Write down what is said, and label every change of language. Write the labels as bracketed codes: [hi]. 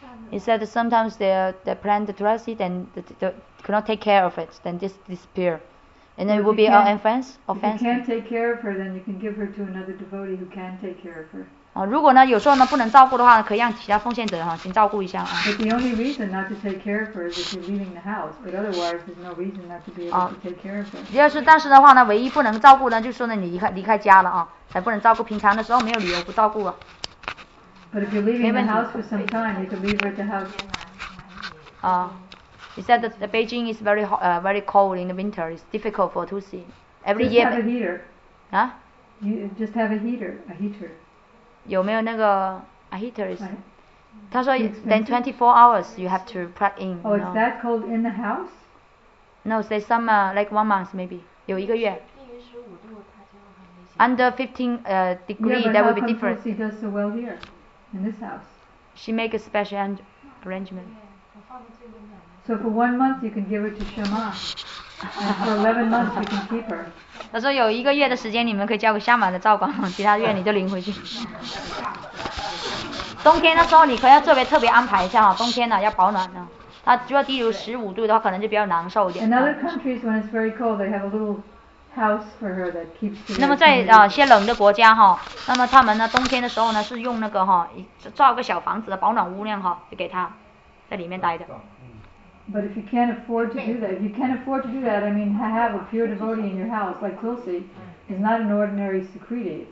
[zh] 你 [en] said sometimes they plant the tulasi, then they cannot take care of it, then just disappear, and then it will be an offense. Offense. If you can't take care of her, then you can give her to another devotee who can take care of her. [zh] 啊，如果呢，有时候呢不能照顾的话，可以让其他奉献者哈先照顾一下啊。 [en] But the only reason not to take care of her is if you're leaving the house. But otherwise, there's no reason not to be able to take care of her. [zh] 要是但是的话呢，唯一不能照顾呢，就是说呢你离开家了啊，才不能照顾。平常的时候没有理由不照顾啊。 [en] But if you're leaving the house for some time, you can leave her at the house. He said that Beijing is very hot, very cold in the winter. It's difficult for to see. Every year. Just have a heater. Huh? You just have a heater. [zh] 有没有那个 [en] a heater? [zh] 他说 [en] then 24 hours you have to plug in. Oh, is that cold in the house? No, say some like 1 month maybe. [zh] 有一个月。 [en] Under 15 degree, yeah, that will be different. Yeah, but how come Tulsi does so well here? In this house? She make a special arrangement. So for 1 month you can give her to Shama. For 11 months you can keep her. [zh] 他说有一个月的时间你们可以交给夏马的照管，其他月你就领回去。冬天的时候你可要特别安排一下，冬天呢要保暖呢。它如果低于15度的话可能就比较难受一点。 [en] In other countries when it's very cold they have a little house for her that keeps the. [zh] 那么在些冷的国家哈，那么他们呢冬天的时候呢是用那个哈造个小房子的保暖屋那样哈，就给他在里面待的。 [en] But if you can't afford to do that, if you can't afford to do that, I mean, have a pure devotee in your house, like Tulsi, is not an ordinary secreti.